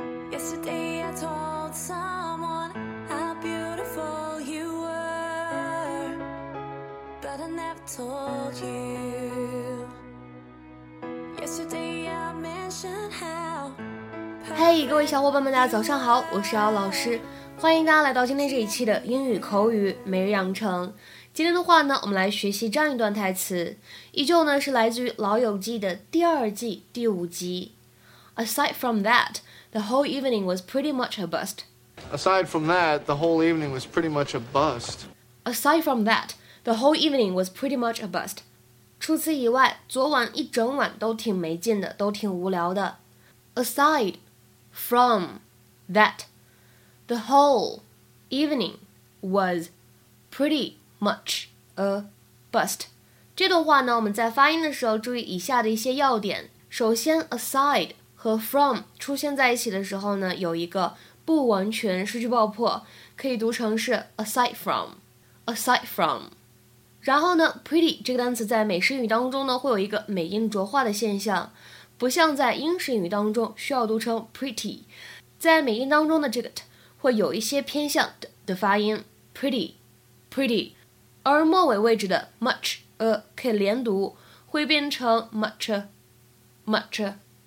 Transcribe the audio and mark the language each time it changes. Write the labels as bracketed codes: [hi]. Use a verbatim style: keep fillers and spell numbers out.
[en] Yesterday I told someone how beautiful you were, but I never told you. Yesterday I mentioned how. [zh] Hey， 各位小伙伴们，大家早上好，我是姚老师，欢迎大家来到今天这一期的英语口语每日养成。今天的话呢，我们来学习这样一段台词，依旧呢是来自于《老友记》的第二季第五集。 [en] Aside from that, the whole evening was pretty much a bust. Aside from that, the whole evening was pretty much a bust. Aside from that, the whole evening was pretty much a bust. [zh] 除此以外，昨晚一整晚都挺没劲的，都挺无聊的。 [en] Aside from that, the whole evening was pretty much a bust. [zh] 这段话呢，我们在发音的时候注意以下的一些要点。首先 aside 和 from 出现在一起的时候呢，有一个不完全失去爆破，可以读成是 aside from aside from。然后呢 pretty 这个单词在美式英语当中呢，会有一个美音浊化的现象，不像在英式英语当中需要读成 pretty， 在美音当中的这个 t 会有一些偏向 d 的发音 pretty pretty， 而末尾位置的 much a 可以连读，会变成 much a much a。